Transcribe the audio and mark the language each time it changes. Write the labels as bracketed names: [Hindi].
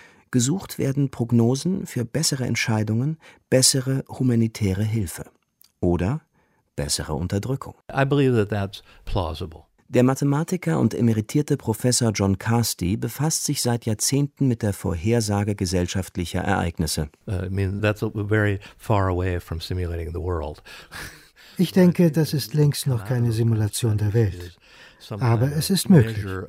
[German] Gesucht werden Prognosen für bessere Entscheidungen, bessere humanitäre Hilfe. Oder bessere Unterdrückung. [English] I believe that that's plausible. [German] Der Mathematiker und emeritierte Professor John Casti befasst sich seit Jahrzehnten mit der Vorhersage gesellschaftlicher Ereignisse. [English] That's very far away from simulating the world. [German] Ich denke, das ist längst noch keine Simulation der Welt. Aber es ist möglich.